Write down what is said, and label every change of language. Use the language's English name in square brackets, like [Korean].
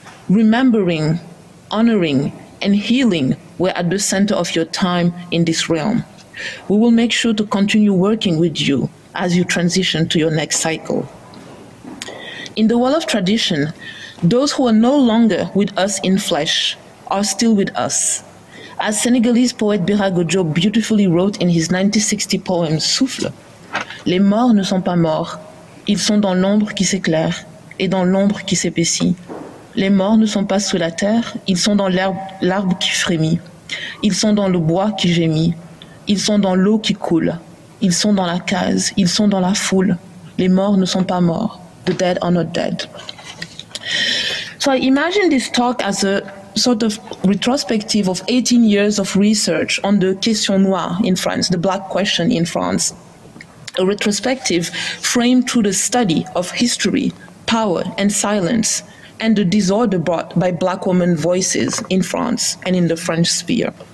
[English] Remembering, honoring, and healing were at the center of your time in this realm. We will make sure to continue working with you as you transition to your next cycle. In the Wolof tradition, those who are no longer with us in flesh are still with us. As Senegalese poet Birago Diop beautifully wrote in his 1960 poem Souffle, [French] les morts ne sont pas morts, ils sont dans l'ombre qui s'éclaire et dans l'ombre qui s'épaissit. Les morts ne sont pas sous la terre, ils sont dans l'arbre qui frémit, ils sont dans le bois qui gémit, ils sont dans l'eau qui coule, ils sont dans la case, ils sont dans la foule, les morts ne sont pas morts. [English] The dead are not dead. So I imagine this talk as a sort of retrospective of 18 years of research on the question noire in France, the black question in France, a retrospective framed through the study of history, power, and silence, and the disorder brought by black women voices in France and in the French sphere.